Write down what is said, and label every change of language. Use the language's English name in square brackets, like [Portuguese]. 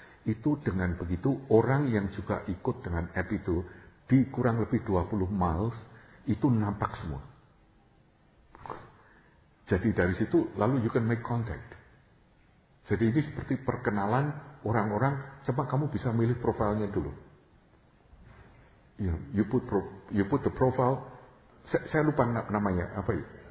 [Indonesian] Itu dengan begitu orang yang juga ikut dengan app itu di kurang lebih 20 miles itu nampak semua. Jadi dari situ lalu [English] you can make contact. [Indonesian] Jadi ini seperti perkenalan orang-orang, cepat kamu bisa milih profilnya dulu. [English] You know, you put the profile. [Indonesian] Saya lupa namanya apa ya?